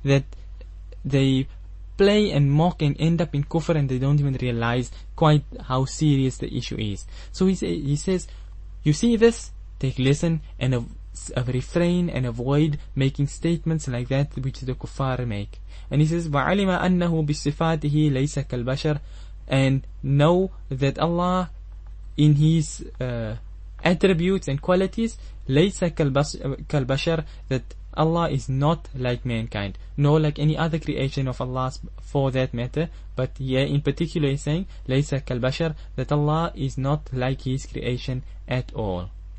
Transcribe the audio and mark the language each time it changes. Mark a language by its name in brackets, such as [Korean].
[English] That they play and mock and end up in kufr and they don't even realize quite how serious the issue is. So he says, you see this, take lesson and refrain and avoid making statements like that which the kuffar make. And he says, [Arabic] وَعَلِمَ أَنَّهُ بِالصِّفَاتِهِ لَيْسَ كَالْبَشَرِ. [English] And know that Allah in His attributes and qualities, [Arabic] لَيْسَ كَالْبَشَرِ, [English] that Allah is not like mankind, nor like any other creation of Allah for that matter. But yeah, in particular he's saying, [Arabic] لَيْسَ كَالْبَشَرِ, [English] that Allah is not like His creation at all.